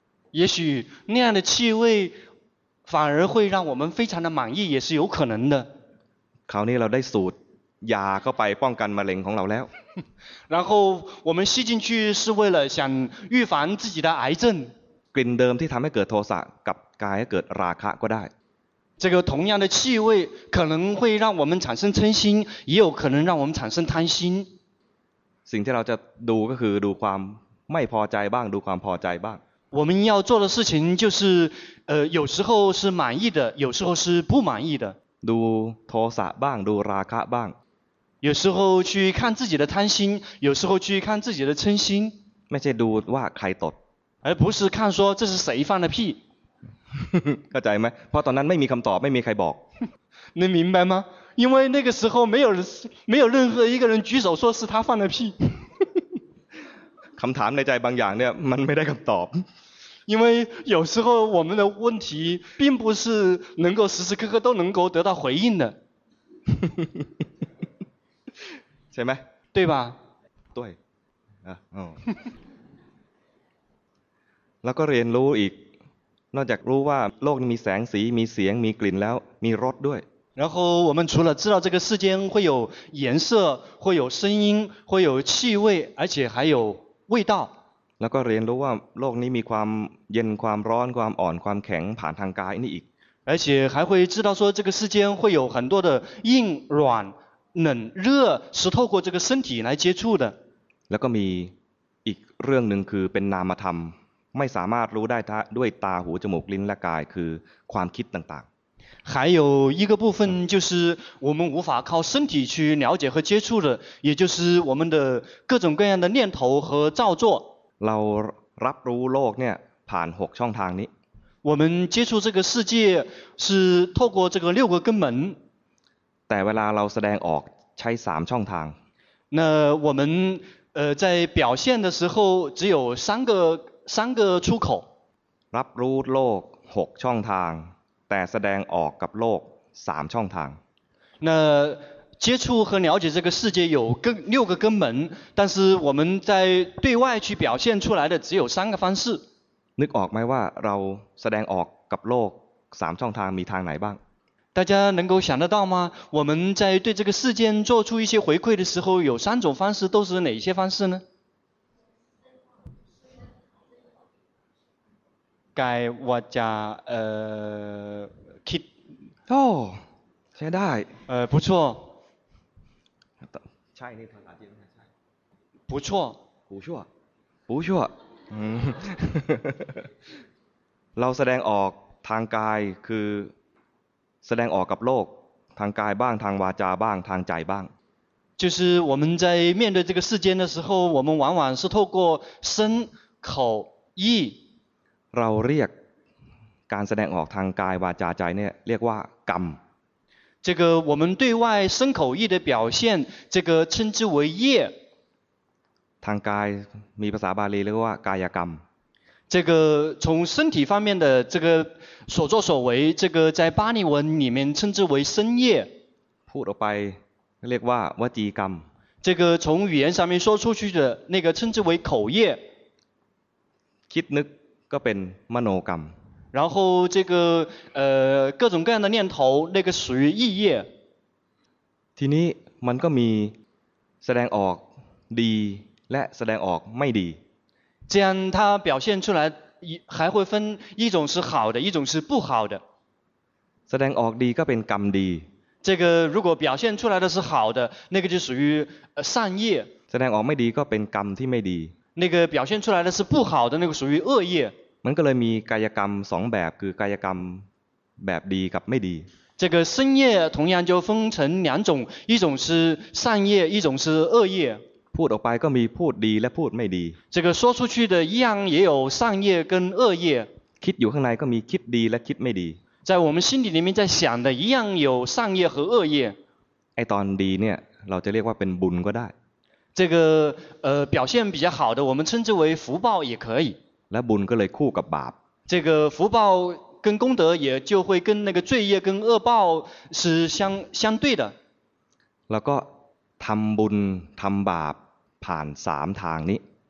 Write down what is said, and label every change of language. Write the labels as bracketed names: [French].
[Chinese] 也许那样的气味反而会让我们非常的满意，也是有可能的。 [Thai] คราวนี้เราได้สูตรยาเข้าไปป้องกันมะเร็งของเราแล้ว [Chinese] 然后我们吸进去是为了想预防自己的癌症 [Thai] กลิ่นเดิมที่ทำให้เกิดโทสะกับกายให้เกิดราคะก็ได้ [Chinese] 这个同样的气味可能会让我们产生嗔心也有可能让我们产生贪心 [Thai] สิ่งที่เราจะดูก็คือดูความไม่พอใจบ้างดูความพอใจบ้าง [Chinese] 我们要做的事情就是有时候是满意的有时候是不满意的 [Thai] ดูโทสะบ้างดูราคะบ้าง [Chinese] 有时候去看自己的贪心，有时候去看自己的嗔心。 [Thai] ไม่ใช่ดูว่าใครตด， [Chinese] 而不是看说这是谁放的屁。 [Thai] เข้าใจไหม？เพราะตอนนั้นไม่มีคำตอบ，ไม่มีใครบอก。 [Chinese] 你明白吗？因为那个时候没有任何一个人举手说是他放的屁。 [Thai] คำถามในใจบางอย่างเนี่ยมันไม่ได้คำตอบ。 [Chinese] 因为有时候我们的问题并不是能够时时刻刻都能够得到回应的。 [Thai] ใช่ไหม [Chinese] 对吧 [Thai] 对แล้วก็เรียนรู้อีกนอกจากรู้ว่าโลกนี้มีแสงสีมีเสียงมีกลิ่นแล้วมีรสด้วย [Chinese] 然后我们除了知道这个世间会有颜色会有声音会有气味而且还有味道 [Thai] แล้วก็เรียนรู้ว่าโลกนี้มีความเย็นความร้อนความอ่อนความแข็งผ่านทางกายนี่อีก [Chinese] 而且还会知道说这个世间会有很多的硬软冷热是透过这个身体来接触的 [Thai] แล้วก็มีอีกเรื่องหนึ่งคือเป็นนามธรรมไม่สามารถรู้ได้ด้วยตาหูจมูกลิ้นและกายคือความคิดต่าง [Chinese] ๆ还有一个部分就是我们无法靠身体去了解和接触的也就是我们的各种各样的念头和造作 [Thai] เรารับรู้โลกเนี่ยผ่าน6ช่องทางนี้ [Chinese] 我们接触这个世界是透过这个六个根门 [Thai] แต่เวลาเราแสดงออกใช้3ช่องทาง [Chinese] 那我们在表现的时候只有三个出口 [Thai] รับรู้โลก6ช่องทางแต่แสดงออกกับโลก3ช่องทาง [Chinese] 那接触和了解这个世界有6个根门但是我们在对外去表现出来的只有3个方式 [Thai] นึกออกไหมว่าเราแสดงออกกับโลก3ช่องทางมีทางไหนบ้าง [Chinese] 大家能够想得到吗？我们在对这个世间做出一些回馈的时候，有三种方式，都是哪些方式呢？该我家kid 哦，现在对，不错， [Thai] ใช่ใช่ [Chinese] 不错，不错，不错，嗯， [Thai] เราแสดงออกทางกายคือแสดงออกกับโลกทางกายบ้างทางวาจาบ้างทางใจบ้าง [Chinese] 就是我们在面对这个世间的时候我们往往是透过身口意 [Thai] เราเรียกการแสดงออกทางกายวาจาใจเนี่ยเรียกว่ากรรม [Chinese] 这个我们对外身口意的表现这个称之为业 [Thai] ทางกายมีภาษาบาลีเรียกว่ากายกรรม [Chinese] 这个从身体方面的这个所作所为，这个在巴利文里面称之为身业。 [Thai] พูดออกไปเรียกว่าวจีกรรม。 [Chinese] 这个从语言上面说出去的那个称之为口业。 [Thai] คิดนึกก็เป็นมโนกรรม。 [Chinese] 然后这个各种各样的念头，那个属于意业。 [Thai] ทีนี้มันก็มีแสดงออกดีและแสดงออกไม่ดี。 [Chinese] 这样它表现出来还会分一种是好的一种是不好的 [Thai] แสดงออกดีก็เป็นกรรมดี [Chinese] 这个如果表现出来的是好的那个就属于善业 [Thai] แสดงออกไม่ดีก็เป็นกรรมที่ไม่ดี [Chinese] 那个表现出来的是不好的那个属于恶业 [Thai] มันก็เลยมีกายกรรม2แบบคือกายกรรมแบบดีกับไม่ดี [Chinese] 这个身业同样就分成两种，一种是善业，一种是恶业。 [Thai] พูดออกไปก็มีพูดดีและพูดไม่ดี。 [Chinese] 这个说出去的一样也有善业跟恶业。 [Thai] คิดอยู่ข้างในก็มีคิดดีและคิดไม่ดี。 [Chinese] 在我们心里里面在想的一样有善业和恶业。 [Thai] ไอ้ตอนดีเนี่ยเราจะเรียกว่าเป็นบุญก็ได้。 [Chinese] 这个表现比较好的，我们称之为福报也可以。 [Thai] และบุญก็เลยคู่กับบาป。 [Chinese] 这个福报跟功德也就会跟那个罪业跟恶报是相对的。 [Thai] แล้วก็ทำบุญทำบาปผ่านสามทางนี้。